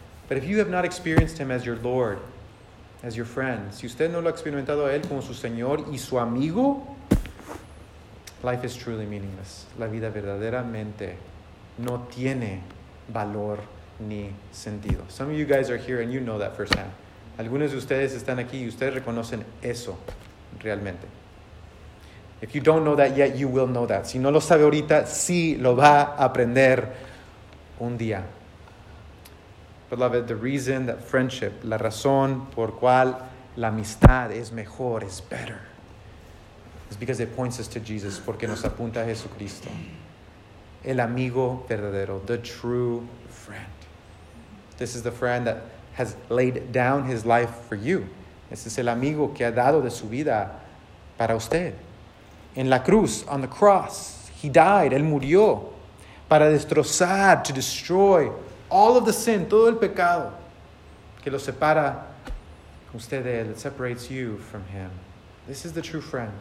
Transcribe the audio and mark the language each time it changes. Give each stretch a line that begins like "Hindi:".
English: But if you have not experienced him as your Lord, as your friend,
Spanish: si usted no lo ha experimentado a él como su Señor y su amigo,
English: life is truly meaningless.
Spanish: La vida verdaderamente no tiene valor ni sentido.
English: Some of you guys are here and you know that firsthand.
Spanish: Algunos de ustedes están aquí y ustedes reconocen eso realmente.
English: If you don't know that yet, you will know that.
Spanish: Si no lo sabe ahorita, sí lo va a aprender un día.
English: Beloved, the reason that friendship,
Spanish: la razón por cual la amistad es mejor,
English: is better, is because it points us to Jesus,
Spanish: porque nos apunta a Jesucristo. El amigo verdadero,
English: the true friend. This is the friend that has laid down his life for you.
Spanish: Ese es el amigo que ha dado de su vida para usted. En la cruz,
English: on the cross, he died,
Spanish: él murió, para destrozar,
English: to destroy all of the sin,
Spanish: todo el pecado que lo separa usted de él,
English: that separates you from him. This is the true friend.